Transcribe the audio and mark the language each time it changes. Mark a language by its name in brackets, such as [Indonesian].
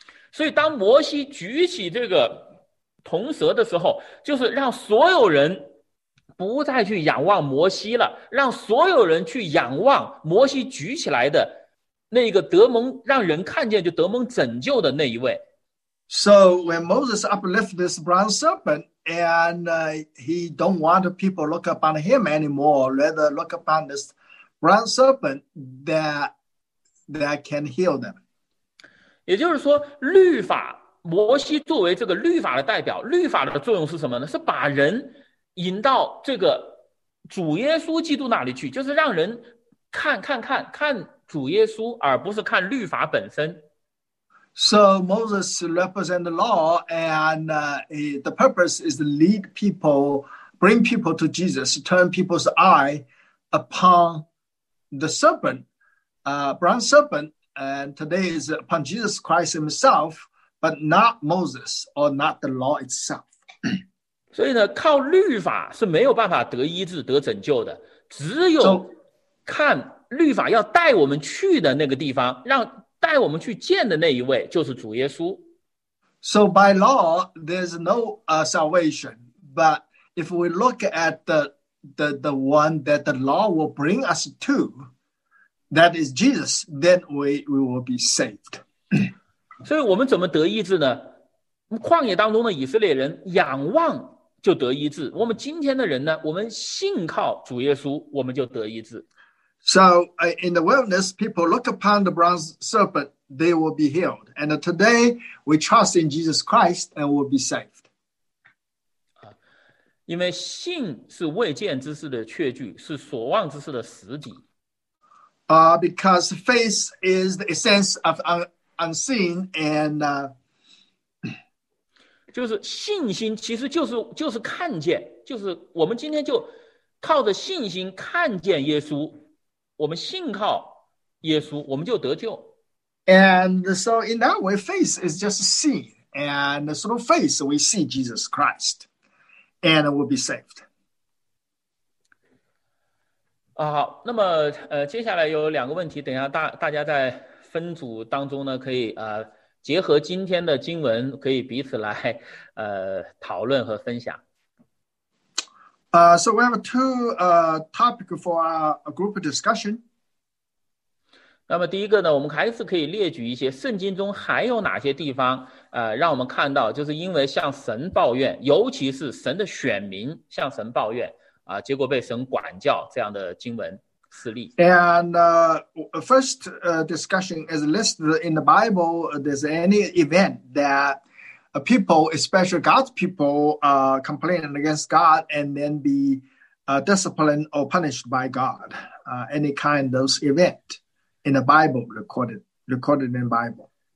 [Chinese] 所以当摩西举起这个铜蛇的时候，就是让所有人不再去仰望摩西了，让所有人去仰望摩西举起来的那个得蒙让人看见就得蒙拯救的那一位。 [English] So when Moses uplifted this bronze serpent, and he don't want people look upon him anymore, rather look upon this bronze serpent that can heal them. [Chinese] 也就是说，律法，摩西作为这个律法的代表，律法的作用是什么呢？是把人引到这个主耶稣基督那里去，就是让人看主耶稣，而不是看律法本身。 [English] So Moses represents the law, and the purpose is to lead people, bring people to Jesus, turn people's eye upon the serpent, bronze serpent, and today is upon Jesus Christ himself, but not Moses or not the law itself. [Chinese] 所以呢，靠律法是没有办法得医治、得拯救的，只有看律法要带我们去的那个地方，让带我们去见的那一位就是主耶稣。 [English] So by law there's no salvation, but if we look at the one that the law will bring us to, that is Jesus, then we will be saved. [Chinese] 所以我们怎么得医治呢？旷野当中的以色列人仰望就得医治，我们今天的人呢，我们信靠主耶稣我们就得医治。 [English] So in the wilderness, people look upon the bronze serpent, they will be healed. And today, we trust in Jesus Christ and will be saved. [Chinese] 因为信是未见之事的确据，是所望之事的实底。 [English] Because faith is the essence of unseen and [Chinese] 就是信心其实就是看见，就是我们今天就靠着信心看见耶稣，我们信靠耶稣，我们就得救。 [English] And so in that way, faith is just seeing. And through faith, we see Jesus Christ and we'll be saved. [Chinese] 好，那么接下来有两个问题，等一下大家在分组当中呢，可以结合今天的经文，可以彼此来讨论和分享。 [English] So we have two topics for a group discussion. [Chinese] 那么第一个呢，我们还是可以列举一些圣经中还有哪些地方让我们看到，就是因为向神抱怨，尤其是神的选民向神抱怨结果被神管教这样的经文事例。 [English] And first discussion is listed in the Bible. There's any event that a people, especially God's people, complaining against God and then be disciplined or punished by God. Any kind of those event in the Bible recorded in the Bible.